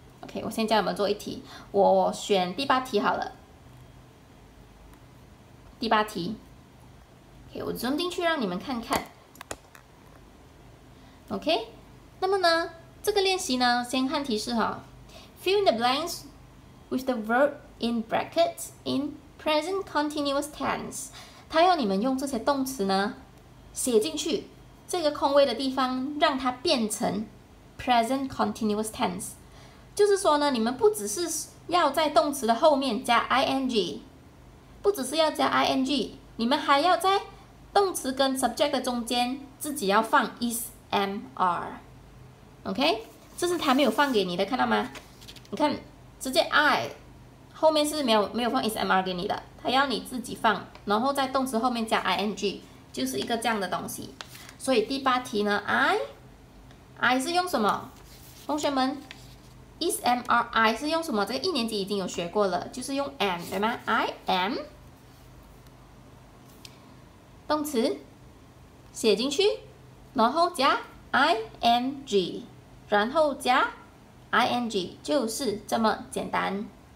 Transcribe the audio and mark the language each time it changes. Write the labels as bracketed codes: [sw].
[zh] OK，我先教你们做一题，我选第八题好了，第八题。 OK，我 zoom 进去让你们看看。 OK，那么呢，这个练习呢，先看提示哈。 [en] Fill in the blanks with the verb in brackets in present continuous tense。 [zh] 它要你们用这些动词呢，写进去这个空位的地方，让它变成 present continuous tense。就是说呢，你们不只是要在动词的后面加 ing，不只是要加 ing，你们还要在动词跟 subject 的中间，自己要放 is am are，OK？这是他没有放给你的，看到吗？你看，直接 I 后面是没有放 is am are 给你的，他要你自己放，然后在动词后面加 ing，就是一个这样的东西。所以第八题呢，I 是用什么？同学们，is am are I 是用什么？这个一年级已经有学过了，就是用 am 对吗？ [en] I am。 [zh] 动词写进去，然后加 ing，然后加 ing，就是这么简单。